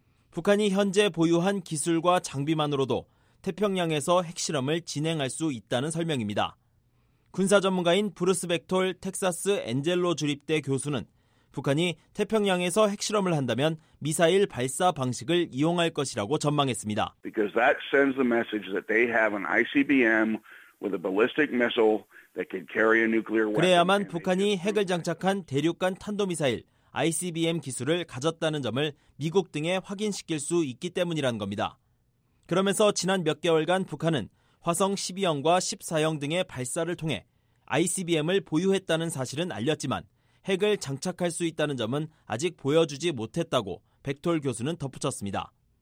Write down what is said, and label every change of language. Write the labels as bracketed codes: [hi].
[ko] 북한이 현재 보유한 기술과 장비만으로도 태평양에서 핵실험을 진행할 수 있다는 설명입니다. 군사 전문가인 브루스 벡톨 텍사스 엔젤로 주립대 교수는 북한이 태평양에서 핵실험을 한다면 미사일 발사 방식을 이용할 것이라고 전망했습니다. [en] Because that sends the message that they have an ICBM with a ballistic missile that could carry a nuclear weapon. [ko] 그래야만 북한이 핵을 장착한 대륙간 탄도미사일 ICBM 기술을 가졌다는 점을 미국 등에 확인시킬 수 있기 때문이라는 겁니다. 그러면서 지난 몇 개월간 북한은 화성 12형과 14형 등의 발사를 통해 ICBM을 보유했다는 사실은 알렸지만 핵을 장착할 수 있다는 점은 아직 보여주지 못했다고 백톨 교수는 덧붙였습니다.